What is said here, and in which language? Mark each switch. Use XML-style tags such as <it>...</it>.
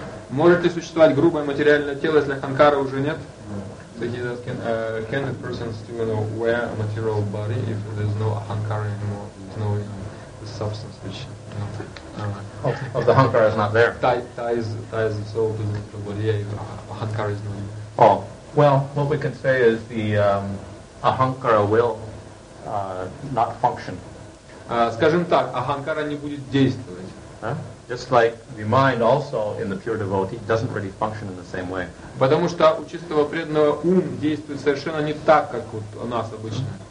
<ru>Может ли существовать грубое материальное тело, если ханкара уже нет?</ru> <en>So he's asking, can a person still, you know, wear a material body if there's no ahankara anymore, there's no, you know, the substance which, you know, of the ahankara is not there. Ties the soul to the body, yeah, if ahankara is not there. Oh, well, what we can say is the ahankara will not function.</en> <ru>Скажем так, ahankara не будет действовать. Huh?</ru> <en>Just like the mind also in the pure devotee doesn't really function in the same way.</en> <ru>Потому что у чистого преданного ум действует совершенно не так, как вот у нас обычно.</ru>